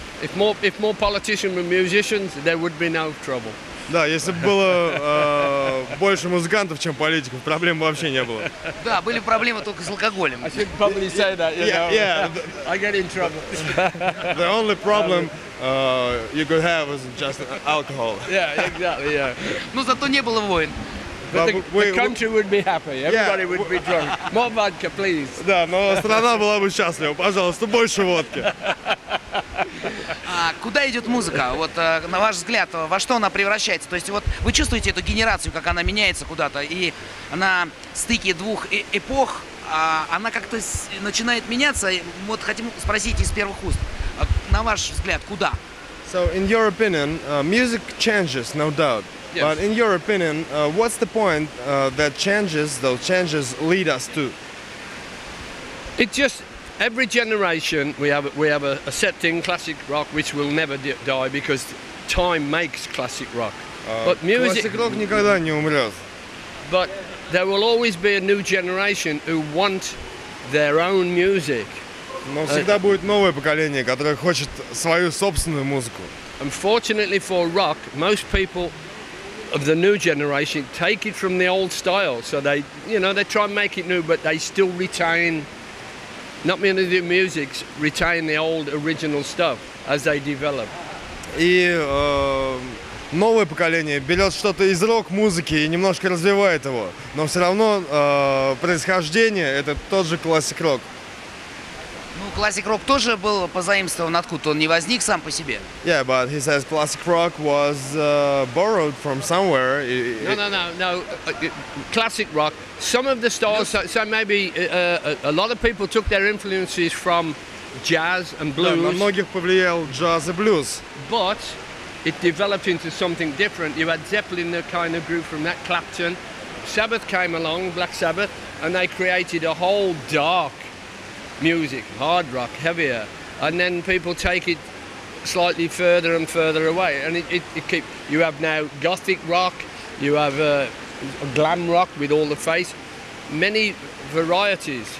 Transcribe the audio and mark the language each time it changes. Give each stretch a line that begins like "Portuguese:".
English: If more politicians were musicians, there would be no trouble.
Russian: Да, если бы было больше музыкантов, чем политиков, проблем вообще не было. Да, были проблемы только с алкоголем.
English: I should probably say that, I get in trouble. The only problem you could have was just alcohol. Yeah, exactly, yeah.
Russian: Но зато не было войн.
English: The country would be happy, everybody would be drunk. More vodka, please.
Russian: Да, но страна была бы счастлива. Пожалуйста, больше водки. А куда идет музыка? Вот на ваш взгляд, во что она превращается? То есть вот вы чувствуете эту генерацию, как она меняется куда-то, и на стыке двух эпох она как-то начинает меняться. Вот хотим спросить из первых уст. На ваш взгляд, куда?
English: So in your opinion, music changes, no doubt. Yes. But in your opinion, what's the point that changes, those changes lead us to? It just every generation we have a set in classic rock which will never die because time makes classic rock. But music. Classic rock
Russian: никогда не умрет.
English: But there will always be a new generation who want their own music.
Russian: Но всегда будет новое поколение, которое хочет свою собственную музыку.
English: Unfortunately for rock, most people of the new generation take it from the old style. So they, you know, they try and make it new, but they still retain. Not many of the musics retain the old original stuff as they develop.
Russian: И новое поколение берет что-то из рок-музыки и немножко развивает его, но все равно происхождение это тот же классик-рок. Ну, классик-рок тоже был позаимствован откуда-то, он не возник сам по себе.
English: Yeah, but he says classic rock was borrowed from somewhere. No. Classic rock, some of the styles, so maybe a lot of people took their influences from jazz and blues.
Russian: Да, на многих повлиял джаз и блюз.
English: But it developed into something different. You had Zeppelin, the kind of group from that, Clapton. Sabbath came along, Black Sabbath, and they created a whole dark music, hard rock, heavier, and then people take it slightly further and further away. And you have now gothic rock, you have glam rock with all the face, many varieties.